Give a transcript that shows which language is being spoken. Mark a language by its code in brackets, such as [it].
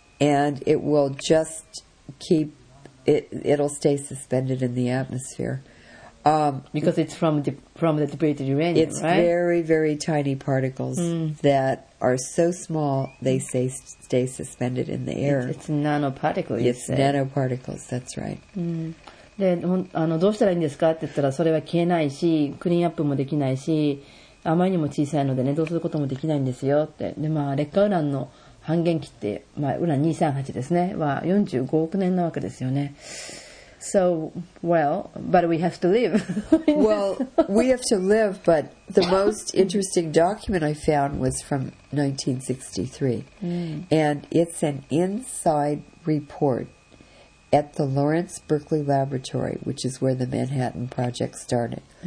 [en] And it will just keep, it'll stay suspended in the atmosphere. Because it's from the depleted uranium, it's right? It's very, very tiny particles that are so small they stay suspended in the air. It's nanoparticles. It's nanoparticles, that's right. [ja] で、どうしたらいいんですかって言ったら、それは消えないし、クリーンアップもできないし、あまりにも小さいのでね、どうすることもできないんですよって。で、まあ、劣化ウランの半減期って、まあ、ウラン238ですね、は45億年なわけですよね。 [en] So, well, but we have to live. Well, we have to live, but the most interesting document I found was from 1963. Mm. And it's an inside report at the Lawrence Berkeley Laboratory, which is where the Manhattan Project started.